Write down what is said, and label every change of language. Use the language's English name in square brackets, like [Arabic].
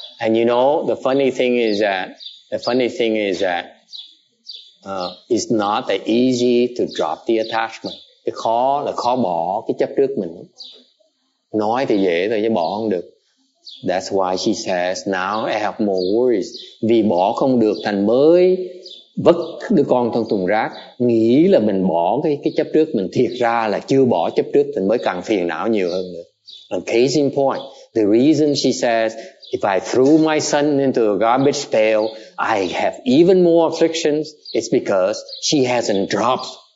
[English] And you know, the funny thing is that it's not that easy to drop the attachment. [Vietnamese] Cái khó là khó bỏ cái chấp trước mình. Nói thì dễ thôi chứ bỏ không được. [English] That's why she says, now I have more worries. [Vietnamese] Vì bỏ không được thành mới vứt đứa con trong thùng rác, nghĩ là mình bỏ cái chấp trước mình, thiệt ra là chưa bỏ chấp trước thì mới càng phiền não nhiều hơn nữa. [English] And case in point, the reason she says, if I threw my son into a garbage pail, I have even more afflictions, it's because she hasn't dropped